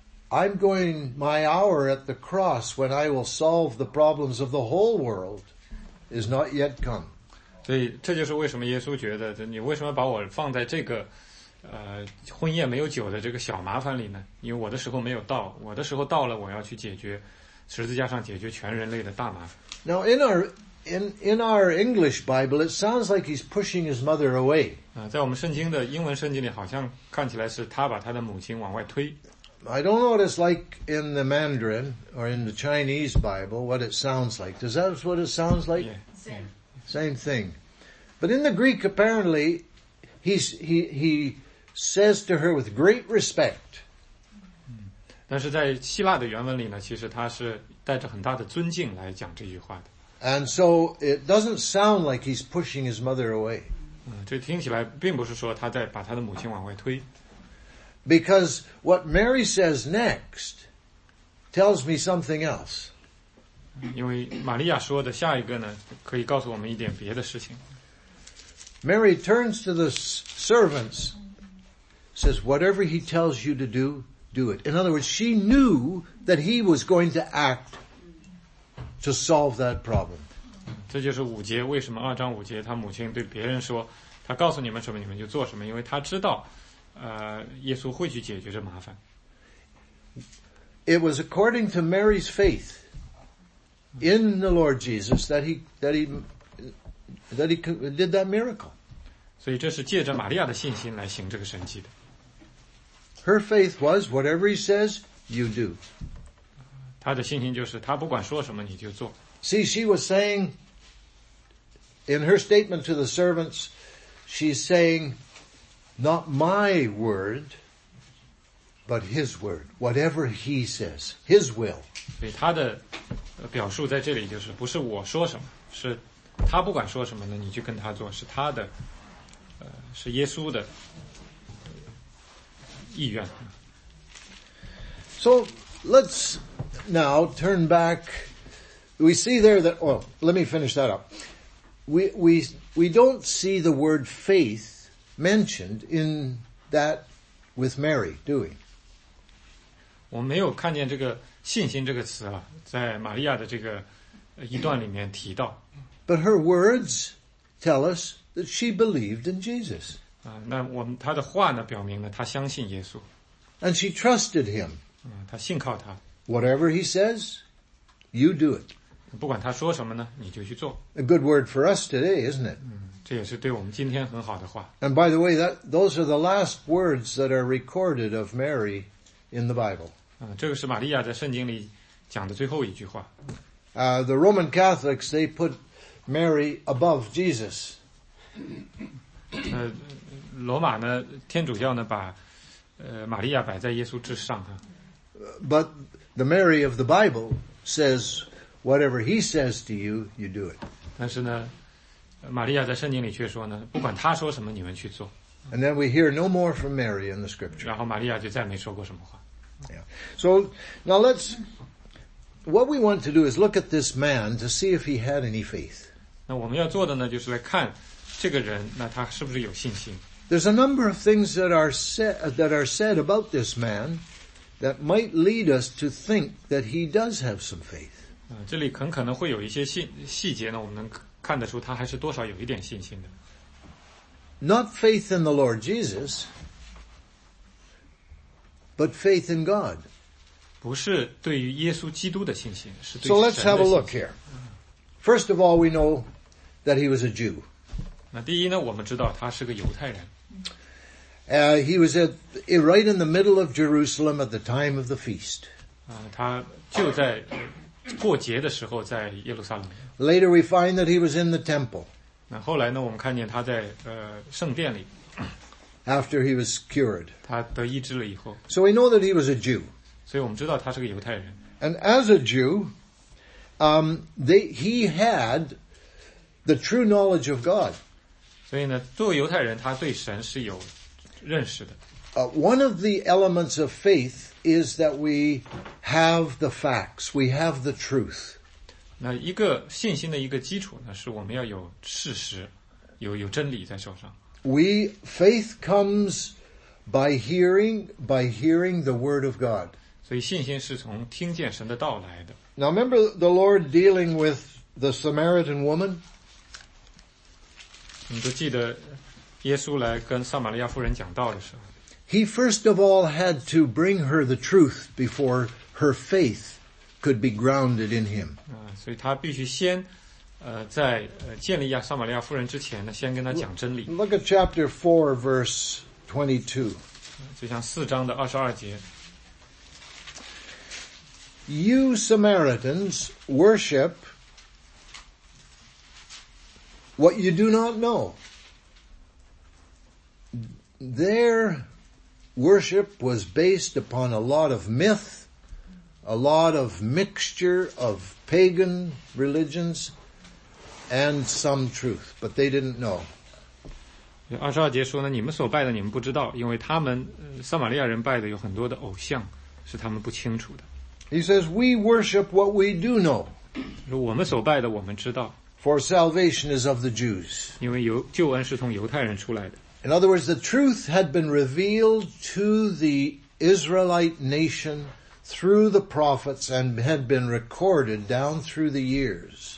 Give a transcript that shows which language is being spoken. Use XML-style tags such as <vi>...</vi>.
<en>I'm going my hour at the cross when I will solve the problems of the whole world is not yet come.</en> <zh>所以这就是为什么耶稣觉得你为什么把我放在这个婚宴没有酒的这个小麻烦里呢因为我的时候没有到我的时候到了我要去解决十字架上解决全人类的大麻烦</zh> <en>Now in our English Bible it sounds like he's pushing his mother away</en> <zh>在我们圣经的英文圣经里好像看起来是他把他的母亲往外推</zh> <en>I don't know what it's like in the Mandarin or in the Chinese Bible, what it sounds like. Does that what it sounds like? Yeah. Same thing. But in the Greek, apparently, he says to her with great respect.</en> <zh>但是在希腊的原文里呢，其实他是带着很大的尊敬来讲这句话的。</zh> <en>And so it doesn't sound like he's pushing his mother away.</en> <zh>这听起来并不是说他在把他的母亲往外推。</zh> <en>Because what Mary says next tells me something else.</en> <zh>因为玛利亚说的下一个呢，可以告诉我们一点别的事情。</zh> <en>Mary turns to the servants, says, whatever he tells you to do, do it. In other words, she knew that he was going to act to solve that problem.</en> <zh>这就是五节，为什么二章五节他母亲对别人说，他告诉你们什么，你们就做什么，因为他知道耶稣会去解决这麻烦。</zh> <en>It was according to Mary's faith in the Lord Jesus that he did that miracle.</en> <zh>所以这是借着玛利亚的信心来行这个神迹的。</zh> <en>Her faith was, whatever he says, you do.</en> <zh>她的信心就是，她不管说什么你就做。</zh> <en>See, she was saying, in her statement to the servants, she's saying, not my word, but his word. Whatever he says, his will.</en> <zh>所以她的表述在这里就是，不是我说什么，是她不管说什么呢，你就跟她做，是她的，是耶稣的。</zh> <en>So let's now turn back. We see there that, well, let me finish that up. We don't see the word faith mentioned in that with Mary, do we?</en> <zh>我没有看见这个信心这个词啊，在玛利亚的这个一段里面提到。</zh> <en>But her words tell us that she believed in Jesus.</en> <zh>那我们她的话呢，表明了她相信耶稣。</zh> <en>And she trusted him.</en> <zh>她信靠他。</zh> <en>Whatever he says, you do it.</en> <zh>不管他说什么呢，你就去做。</zh> <en>A good word for us today, isn't it?</en> <zh>这也是对我们今天很好的话。</zh> <en>And by the way, those are the last words that are recorded of Mary in the Bible.</en> <zh>这个是玛利亚在圣经里讲的最后一句话。</zh> <en>The Roman Catholics, they put Mary above Jesus.</en> <zh>罗马呢，天主教呢，把玛利亚摆在耶稣之上啊。</zh> <en>But the Mary of the Bible says, whatever he says to you, you do it.</en> <zh>但是呢，玛利亚在圣经里却说呢，不管他说什么，你们去做。</zh> <en>And then we hear no more from Mary in the scripture.</en> <zh>然后玛利亚就再没说过什么话。</zh> <en>Yeah. So now let's, what we want to do is look at this man to see if he had any faith.</en> <zh>那我们要做的呢，就是来看这个人，那他是不是有信心。</zh> <en>There's a number of things that are said about this man that might lead us to think that he does have some faith.</en> <zh>这里很可能会有一些细节呢，我们能看得出他还是多少有一点信心的。</zh> <en>Not faith in the Lord Jesus, but faith in God.</en> <zh>不是对于耶稣基督的信心，是对神的信心。</zh> <en>So let's have a look here. First of all, we know that he was a Jew.</en> <zh>那第一呢，我们知道他是个犹太人。</zh> <en>He was at right in the middle of Jerusalem at the time of the feast.</en> <zh>他就在过节的时候在耶路撒冷。</zh> <en>Later we find that he was in the temple.</en> <zh>那后来呢，我们看见他在圣殿里。</zh> <en>After he was cured.</en> <zh>他得医治了以后。</zh> <en>So we know that he was a Jew.</en> <zh>所以我们知道他是个犹太人。</zh> <en>And as a Jew, he had the true knowledge of God.</en> <zh>所以呢，作为犹太人，他对神是有。</zh> <en>One of the elements of faith is that we have the facts, we have the truth.</en> <zh>那一个信心的一个基础呢，是我们要有事实，有真理在手上。</zh> <en>Faith comes by hearing the word of God.</en> <zh>所以信心是从听见神的道来的。</zh> <en>Now remember the Lord dealing with the Samaritan woman?</en> <zh>你都记得。耶稣来跟撒玛利亚妇人讲道的时候</zh> <en>，He first of all had to bring her the truth before her faith could be grounded in him.</en> <zh>所以他必须先，在建立撒玛利亚妇人之前呢，先跟他讲真理。</zh> <en>Look at chapter 4, verse 22.</en> <zh>就像四章的二十二节。</zh> <en>you Samaritans worship what you do not know. Their worship was based upon a lot of myth, a lot of mixture of pagan religions, and some truth, but they didn't know.</en> <zh>22节说呢，你们所拜的你们不知道，因为他们撒玛利亚人拜的有很多的偶像，是他们不清楚的。</zh> <en>He says, "We worship what we do know."</en> <zh>我们所拜的我们知道。</zh> <en>For salvation is of the Jews.</en> <zh>因为救恩是从犹太人出来的。</zh> <en>In other words, the truth had been revealed to the Israelite nation through the prophets and had been recorded down through the years.</en>